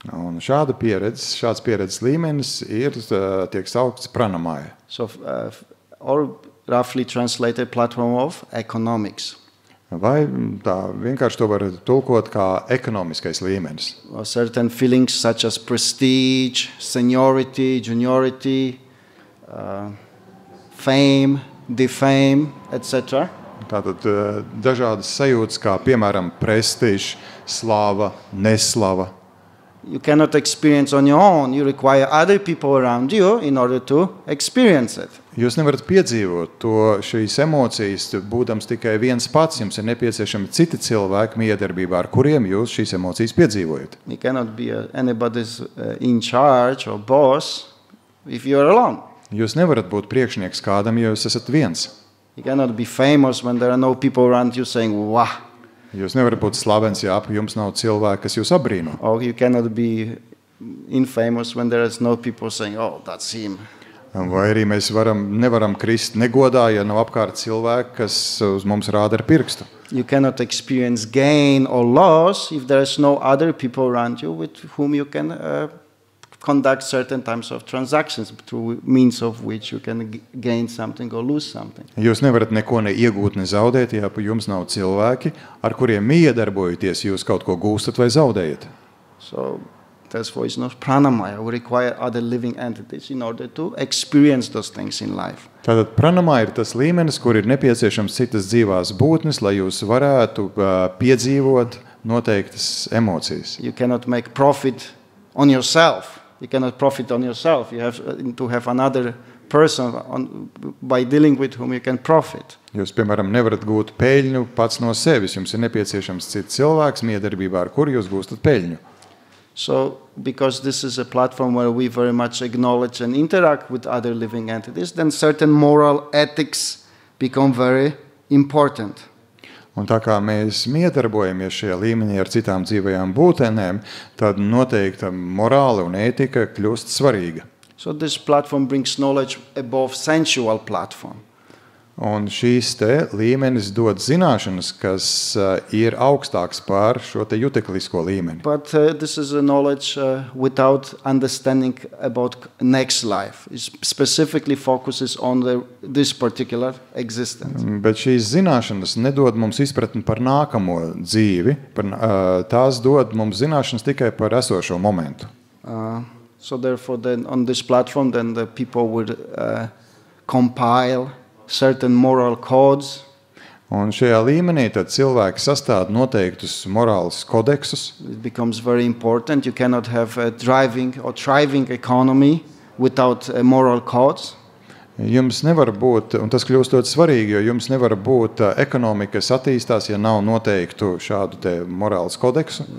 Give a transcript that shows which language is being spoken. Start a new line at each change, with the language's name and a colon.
Latvian: Un šāda pieredze, šāds pieredzes līmenis ir tiek saukts pranamaya.
English: So or roughly translated platform of economics.
Latvian: Vai tā vienkārši to var tulkot kā ekonomiskais līmenis.
English: Certain feelings such as prestige, seniority, juniority, fame, defame, etc.
Latvian: Tātad dažādas sajūtas kā piemēram prestiž, slava, neslava.
English: You cannot experience on your own, you require other people around you in order to experience it.
Latvian: Jūs nevarat piedzīvot to šīs emocijas, būdams tikai viens pats, jums ir nepieciešami citi cilvēki miedarbībā, ar kuriem jūs šīs emocijas piedzīvojat.
English: You cannot be anybody's in charge or boss if you are alone.
Latvian: Jūs nevarat būt priekšnieks kādam, jo jūs esat viens.
English: You cannot be famous when there are no people around you saying, wow.
Latvian: Jūs nevarat būt slavens, ja ap jums nav cilvēki, kas jūs apbrīno.
English: Oh, you cannot be infamous when there is no people saying, oh, that's him.
Latvian: Vai arī mēs nevaram krist negodā, ja nav apkārt cilvēki, kas uz mums rāda ar pirkstu.
English: You cannot experience gain or loss if there is no other people around you with whom you can conduct certain types of transactions through means of which you can gain something or lose something.
Latvian: Jūs nevarat neko ne iegūt, ne zaudēt, ja jums nav cilvēki, ar kuriem iedarbojoties, jūs kaut ko gūstat vai zaudējat.
English: So, that's why it's not pranamaya. We require other living entities in order to experience those things in life.
Latvian: Tātad pranamaya ir tas līmenis, kur ir nepieciešams citas dzīvās būtnes, lai jūs varētu piedzīvot noteiktas emocijas.
English: You cannot make profit on yourself. You cannot profit on yourself. You have to have another person on, by dealing with whom you can profit.
Latvian: Jūs, piemēram, nevarat gūt peļņu pats no sevis. Jums ir nepieciešams cits cilvēks miedarbībā, ar kuru jūs gūstat peļņu.
English: So, because this is a platform where we very much acknowledge and interact with other living entities, then certain moral ethics become very important.
Latvian: Un tā kā mēs miedarbojamies šajā līmenī ar citām dzīvajām būtenēm, tad noteikta morāla un ētika kļūst svarīga.
English: So this platform brings knowledge above sensual platform.
Latvian: Un šīs te līmenis dod zināšanas, kas ir augstāks par šo te juteklisko līmeni.
English: But this is a knowledge without understanding about next life. It specifically focuses on this particular existence.
Latvian: Bet šīs zināšanas nedod mums izpratni par nākamo dzīvi, tās dod mums zināšanas tikai par esošo momentu.
English: So therefore then on this platform then the people would compile certain moral codes.
Latvian: Un šajā līmenī tad cilvēki sastād noteiktus morālus kodeksus.
English: It becomes very important. You cannot have a driving or thriving economy without a moral codes.
Latvian: Jums nevar būt, un tas kļūst ļoti svarīgi, jo jums nevar būt ekonomika, kas attīstās, ja nav noteiktu šādu te morālus kodeksu.